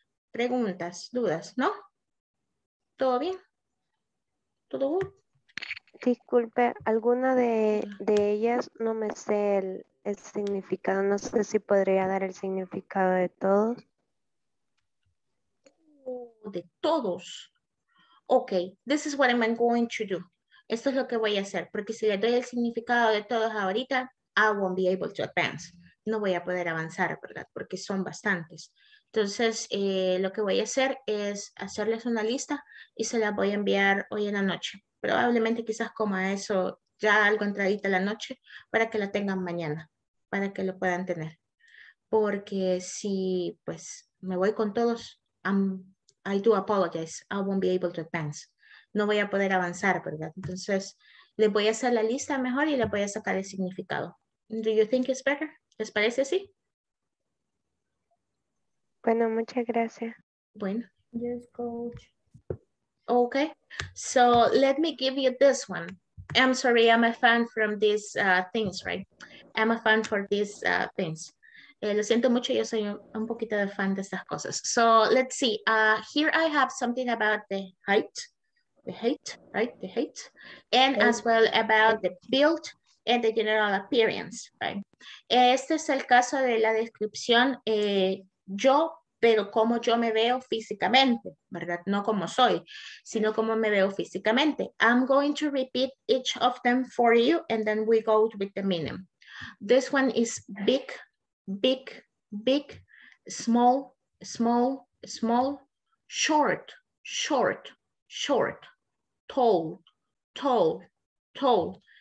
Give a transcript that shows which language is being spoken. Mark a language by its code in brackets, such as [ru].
[es] Preguntas, dudas, ¿no? ¿Todo bien? ¿Todo bien? Disculpe, alguna de ellas no me sé el significado. No sé si podría dar el significado de todos. De todos. [en] Ok, this is what I'm going to do. [es] Esto es lo que voy a hacer, porque si le doy el significado de todos ahorita, [en] I won't be able to advance. [es] No voy a poder avanzar, ¿verdad? Porque son bastantes. Entonces, lo que voy a hacer es hacerles una lista y se la voy a enviar hoy en la noche. Probablemente quizás como eso, ya algo entradita la noche, para que la tengan mañana, para que lo puedan tener. Porque si, pues, me voy con todos, [en] I do apologize, I won't be able to advance. [es] No voy a poder avanzar, ¿verdad? Entonces, le voy a hacer la lista mejor y le voy a sacar el significado. [en] Do you think it's better? [es] ¿Les parece así? Bueno, muchas gracias. Bueno. [en] Yes, coach. Okay. So, let me give you this one. I'm sorry, I'm a fan from these things, right? I'm a fan for these things. [es] Lo siento mucho, yo soy un poquito de fan de estas cosas. [en] So, let's see. Here I have something about the height. The height, right? The height. And okay, as well about the build and the general appearance, right? [es] Este es el caso de la descripción yo, pero cómo yo me veo físicamente, ¿verdad? No como soy, sino cómo me veo físicamente. [en] I'm going to repeat each of them for you and then we go with the meaning. This one is big, big, big, small, small, small, short, short, short. Tall, tall, tall.